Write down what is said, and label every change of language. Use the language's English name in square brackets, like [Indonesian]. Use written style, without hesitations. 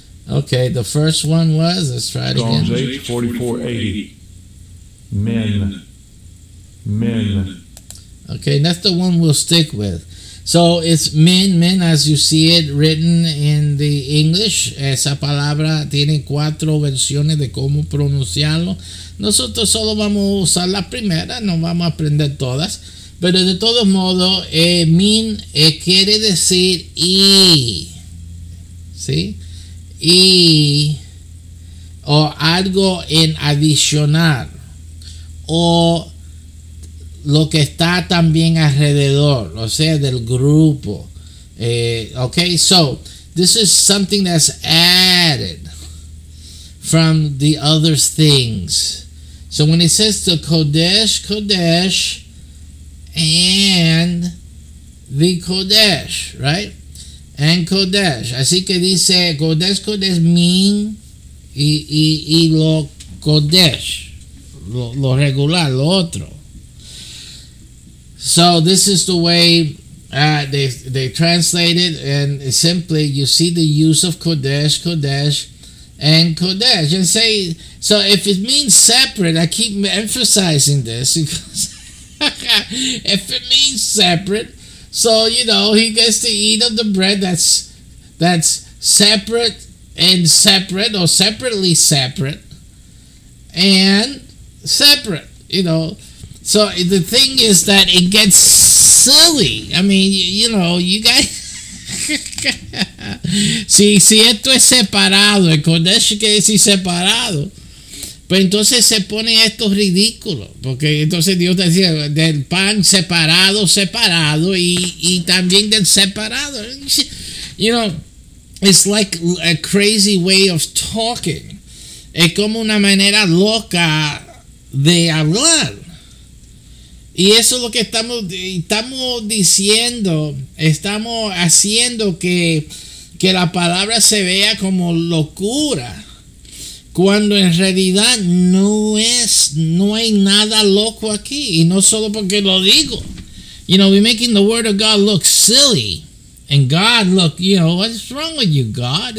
[English] Okay, the first one was, let's try it Psalms again. Psalms 8, 44:80. Men. Men. Okay, that's the one we'll stick with. So it's men, as you see it written in the English. [Spanish] Esa palabra tiene cuatro versiones de cómo pronunciarlo. Nosotros solo vamos a usar la primera, no vamos a aprender todas. Pero de todos modos, men quiere decir y. ¿Sí? Y, o algo en adicional, o lo que está también alrededor, o sea, del grupo. [English] Okay, so this is something that's added from the other things. So when it says the Kodesh, Kodesh, and the Kodesh, right? [Spanish] En Kodesh, así que dice Kodesh, Kodesh, min y lo Kodesh, lo regular, lo otro. [English] So this is the way they translate it, and simply you see the use of Kodesh, Kodesh, and Kodesh. And say, so if it means separate, I keep emphasizing this, because if it means separate, so, you know, he gets to eat of the bread that's separate and separate, or separately separate and separate, you know. So the thing is that it gets silly. I mean, you know, you guys. [Spanish] si esto es separado, el Kodesh quiere decir separado. Pues entonces se pone esto ridículo, porque entonces Dios decía del pan separado, separado, y también del separado. [English] You know, it's like a crazy way of talking. [Spanish] Es como una manera loca de hablar. Y eso es lo que estamos diciendo, estamos haciendo que la palabra se vea como locura. Cuando en realidad no hay nada loco aquí. Y no solo porque lo digo. [English] You know, we're making the word of God look silly. And God look, you know, what's wrong with you, God?